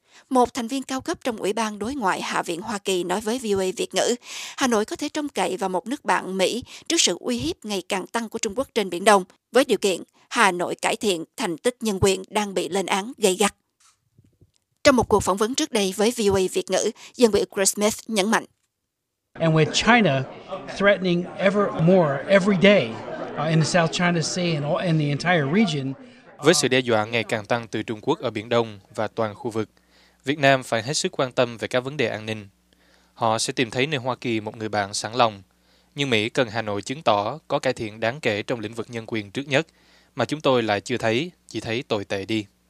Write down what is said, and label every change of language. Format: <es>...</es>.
<vi>Một thành viên cao cấp trong Ủy ban Đối ngoại Hạ viện Hoa Kỳ nói với VOA Việt ngữ, Hà Nội có thể trông cậy vào một nước bạn Mỹ trước sự uy hiếp ngày càng tăng của Trung Quốc trên Biển Đông, với điều kiện Hà Nội cải thiện thành tích nhân quyền đang bị lên án gay gắt. Trong một cuộc phỏng vấn trước đây với VOA Việt ngữ, dân biểu Chris Smith nhấn mạnh.</vi> <en>And with China threatening ever more every day in the South China Sea and all in the entire region.</en> <vi>Với sự đe dọa ngày càng tăng từ Trung Quốc ở Biển Đông và toàn khu vực, Việt Nam phải hết sức quan tâm về các vấn đề an ninh. Họ sẽ tìm thấy nơi Hoa Kỳ một người bạn sẵn lòng. Nhưng Mỹ cần Hà Nội chứng tỏ có cải thiện đáng kể trong lĩnh vực nhân quyền trước nhất, mà chúng tôi lại chưa thấy, chỉ thấy tồi tệ đi.</vi>